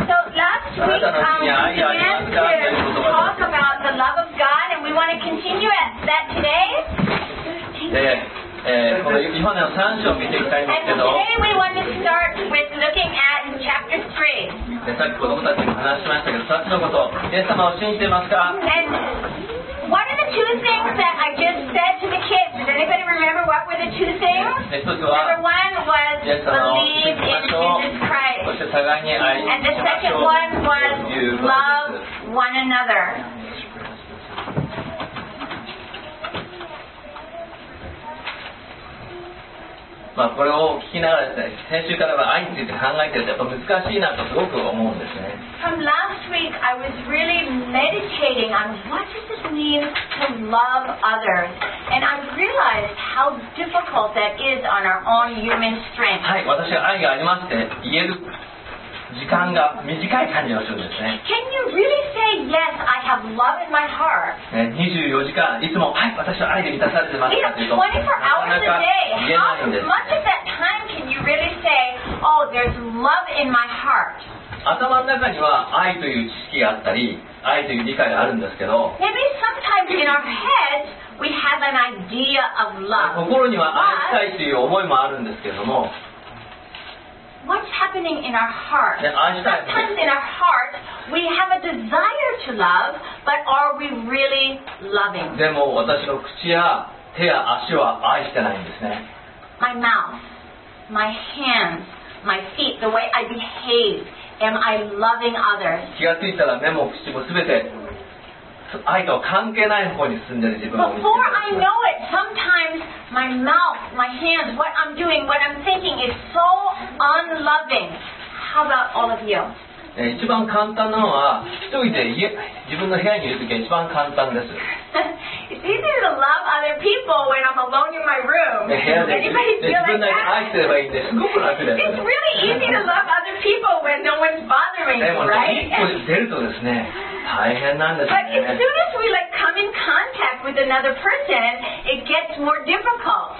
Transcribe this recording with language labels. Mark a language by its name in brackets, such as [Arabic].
[English] so、last week, [Japanese] あなたの父に愛ありますかという言葉です。 [English] About the love of God, and we want to continue at that today. [Japanese] この今までの3章を見ていきたいんですけど、 [English] and today we want to start with looking at chapter 3. [Japanese] さっき子供たちに話しましたけど、2つのこと、イエス様を信じていますか？ [English] and what are the two things that I just said to the kids? Does anybody remember what were the two things? Number one was believe in Jesus Christ. And the second one was love one another. [Japanese] まあ、これを聞きながらですね、先週からは愛について考えてるとやっぱ難しいなとすごく思うんですね。 [English] From last week, I was really meditating on what does this mean to love others, and I realized how difficult that is on our own human strength. [Japanese] はい、私は愛がありますって言える時間が短い感じがするんですね。 [English] Can you really say yes? I have love in my heart. [Japanese] 24時間いつもはい、私は愛で満たされてますっていうと、なかなか言えないんです。 [English] How much of that time can you really say, oh, there's love in my heart? [Japanese] 頭の中には愛という知識があったり、愛という理解があるんですけど。 [English] Maybe sometimes in our heads we have an idea of love. [Japanese] 心には愛したいという思いもあるんですけども。 [English] What's happening in our heart? Sometimes in our heart, we have a desire to love, but are we really loving? [Japanese] でも私の口や手や足は愛してないんですね。 [English] My mouth, my hands, my feet, the way I behave, am I loving others? [Japanese] 気がついたら目も口もすべて愛とは関係ない方に進んでる自分を。 [English] Before I know it, sometimes my mouth, my hands, what I'm doing, what I'm thinking is so unloving. How about all of you? [Japanese] 一番簡単なのは一人で自分の部屋にいるときが一番簡単です。 [English] It's easier to love other people when I'm alone in my room. It's really easy to love other people when no one's bothering you, right? But as soon as we like come in contact with another person, it gets more difficult.